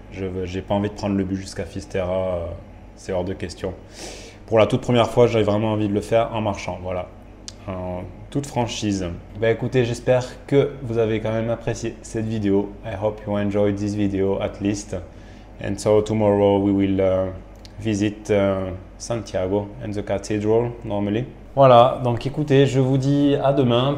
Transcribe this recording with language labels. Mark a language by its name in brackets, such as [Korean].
[French] J'ai pas envie de prendre le bus jusqu'à Fisterra. C'est hors de question. Pour la toute première fois, j'avais vraiment envie de le faire en marchant, voilà. En toute franchise. Bah écoutez, j'espère que vous avez quand même apprécié cette vidéo. [English] I hope you enjoyed this video at least. And so tomorrow we will visit Santiago and the cathedral normally. [French] Voilà, donc écoutez, je vous dis à demain.